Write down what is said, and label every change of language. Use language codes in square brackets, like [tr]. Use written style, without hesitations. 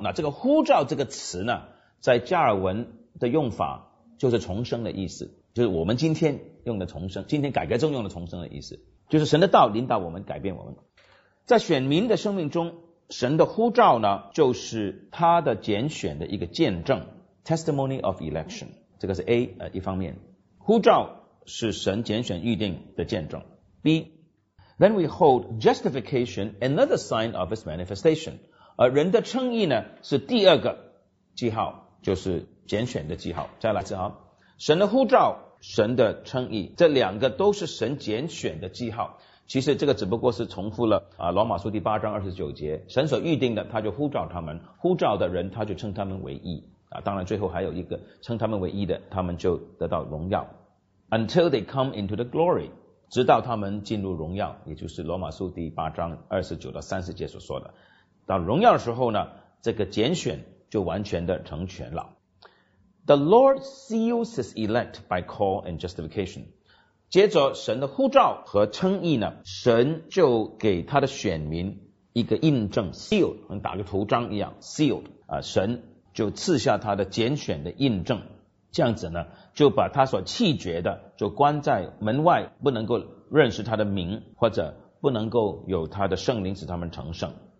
[zh] 那这个呼召这个词呢，在加尔文的用法就是重生的意思，就是我们今天用的重生，今天改革中用的重生的意思，就是神的道领导我们，改变我们。在选民的生命中，神的呼召呢，就是他的拣选的一个见证， [en] testimony of election, [zh] 这个是 A, 一方面。呼召是神拣选预定的见证。 [en] B, then we hold justification, another sign of his manifestation. [zh] 而人的称义呢，是第二个记号，就是拣选的记号。再来一次啊，神的呼召、神的称义，这两个都是神拣选的记号。其实这个只不过是重复了啊，罗马书第八章二十九节，神所预定的，他就呼召他们，呼召的人他就称他们为义。啊，当然最后还有一个称他们为义的，他们就得到荣耀。 [en] Until they come into the glory, [zh] 直到他们进入荣耀，也就是罗马书第八章二十九到三十节所说的，到荣耀的时候呢，这个拣选就完全的成全了。 [en] The Lord seals His elect by call and justification. [zh] 接着神的呼召和称义呢，神就给他的选民一个印证 ，sealed， 像打个图章一样 ，sealed 啊，神就赐下他的拣选的印证，这样子呢，就把他所弃绝的就关在门外，不能够认识他的名，或者不能够有他的圣灵使他们成圣。